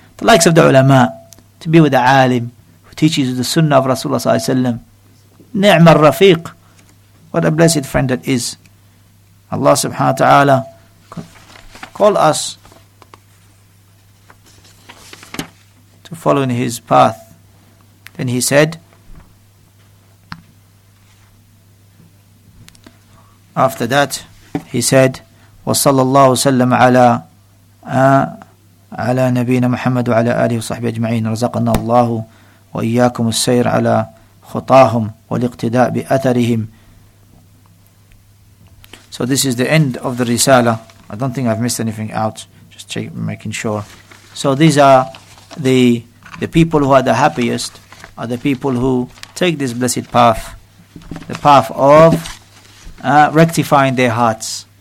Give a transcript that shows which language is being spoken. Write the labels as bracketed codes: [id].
[en] The likes of the ulama, to be with the alim who teaches the sunnah of Rasulullah sallallahu alayhi wa sallam. [ar] نعم الرفيق. [en] What a blessed friend that is. Allah subhanahu wa ta'ala call us to follow in his path. Then he said, after that he said, [ar] وصلى الله وسلم على على نبينا محمد وعلى آله وصحبه أجمعين. رزقنا الله وإياكم السير على خطاهم والاقتداء بأثرهم. [en] So this is the end of the Risala. I don't think I've missed anything out. Just check, making sure. So these are the people who are the happiest, are the people who take this blessed path, the path of rectifying their hearts.